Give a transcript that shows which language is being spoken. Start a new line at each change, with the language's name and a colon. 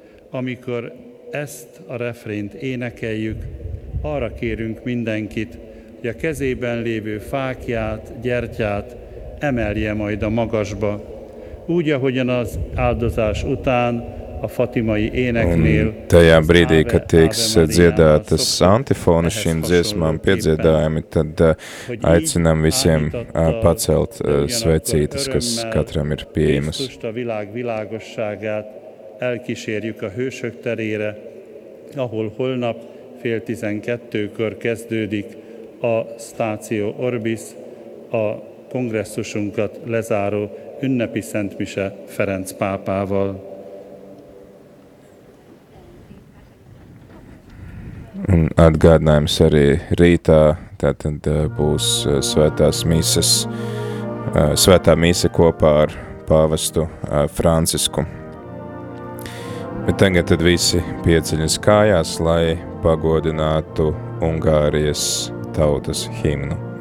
Hungarian: Amikor ezt a refrényt énekeljük, arra kérünk mindenkit, hogy a kezében lévő fákját, gyertyát emelje majd a magasba, úgy, ahogyan az áldozás után a fatimai éneknél.
Latvian: Un tajā brīdī, kad tiks dziedātas antifona šīm dziesmām piedziedājami, tad aicinām visiem pacelt svecītes, kas katram ir pieejamas.
Hungarian: Krisztust a világ világosságát elkísérjük a hősök terére, ahol holnap 11:30-kor kezdődik a Stácio Orbis, a kongresszusunkat lezáró ünnepi szentmise Ferenc pápával.
Latvian: Un atgādinājums arī rītā, tātad būs svētās mīses, svētā mīse kopā ar pāvestu Francisku. Bet tagad tad visi pieceļas kājās, lai pagodinātu Ungārijas tautas himnu.